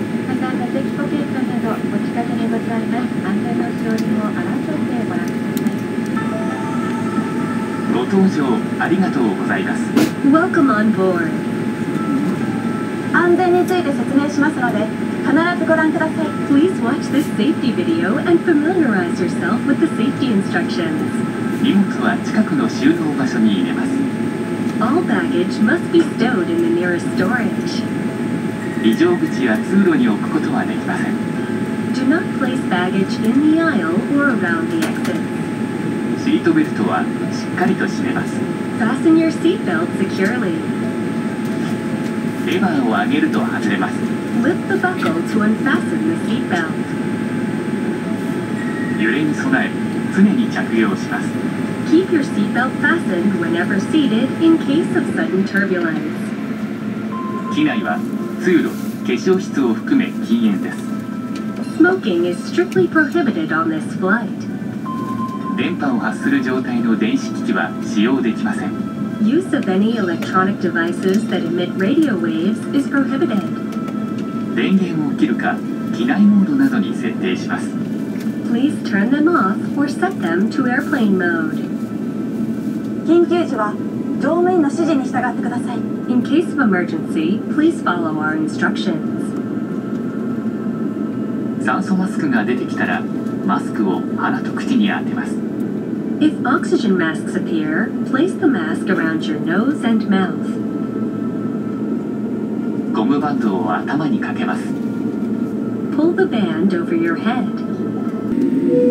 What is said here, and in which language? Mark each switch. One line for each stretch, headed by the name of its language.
Japanese: また、座席ポケットなどお近くにございます。安全の使用にも合わせてご覧ください。ご搭乗ありがとうございます。
English: Welcome on board.
Japanese: 安全について説明しますので、必ずご覧ください。
English: Please watch this safety video and familiarize yourself with the safety instructions.
Japanese: 荷物は近くの収納場所に入れます。
English: All baggage must be stowed in the nearest storage.
Japanese: 非常口や通路に置くことはできません。
English: Do not place baggage in the aisle or around the exit.
Japanese: シートベルトはしっかりと締めます。
English: Fasten your seatbelt securely.
Japanese: レバーを上げると外れます。
English: Lift the buckle to unfasten the seatbelt.
Japanese: 揺れに備え、常に着用します。
English: Keep your seatbelt fastened whenever seated in case of sudden turbulence.
Japanese: 機内は通路、化粧室を含め禁煙です。
English: Smoking is strictly prohibited on this flight.
Japanese: 電波を発する状態の電子機器は使用できません。
English: Use of any electronic devices that emit radio waves is prohibited.
Japanese: 電源を切るか、機内モードなどに設定します。
English: Please turn them off or set them to airplane mode.
Japanese: 緊急時は、乗務員の指示に従ってください。
English: In case of emergency, please follow our instructions.
Japanese: 酸素マスクが出てきたら、マスクを鼻と口に当てます。
English: If oxygen masks appear, place the mask around your nose and mouth.
Japanese: ゴムバンドを頭にかけます。
English: Pull the band over your head.